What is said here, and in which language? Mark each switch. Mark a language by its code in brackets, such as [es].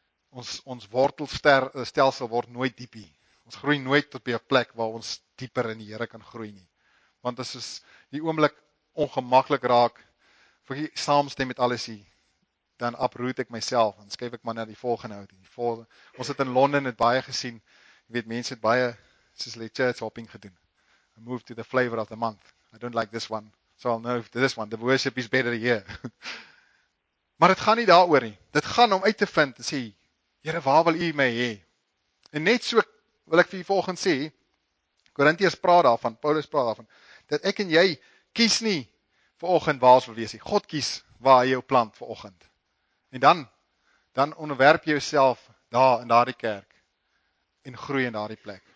[af] Ons wortelstelsel word nooit diep nie. Ons groei nooit tot by 'n plek waar ons dieper in die Here kan groei nie. Want as ons die oomblik ongemaklik raak, vir die saamstem met alles hier, dan uproot ek myself, dan skuif ek maar na die volgende hout. Ons het in Londen het baie gesien, jy weet, mense het baie, soos hulle church hopping gedoen. [en] I move to the flavor of the month. I don't like this one. So I'll know this one. The worship is better here. [af] Maar het gaan nie daaroor nie. Dit gaan om uit te vind, en sê, Here, waar wil U my hê? En net so wil ek vir u volgens sê, Korintiërs praat daarvan, Paulus praat daarvan, dat ek en jy kies nie vir oggend waar ons wil wees nie. God kies waar hy jou plant vir oggend. En dan onderwerp jy jouself daar in daardie kerk en groei in daardie plek.